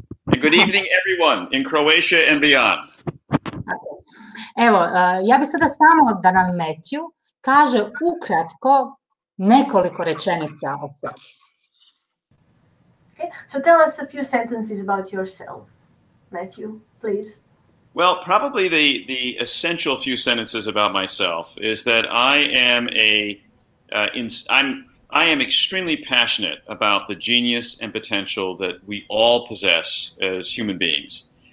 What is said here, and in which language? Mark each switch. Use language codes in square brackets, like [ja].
[en] And good evening everyone in Croatia and beyond. [hr] Evo, ja bih sada samo da nam Matthew kaže ukratko nekoliko rečenica o sebi. [en] Okay. So tell us a few sentences about yourself, Matthew, please. Well, probably the essential few sentences about myself is that I am extremely passionate about the genius and potential that we all possess as human beings.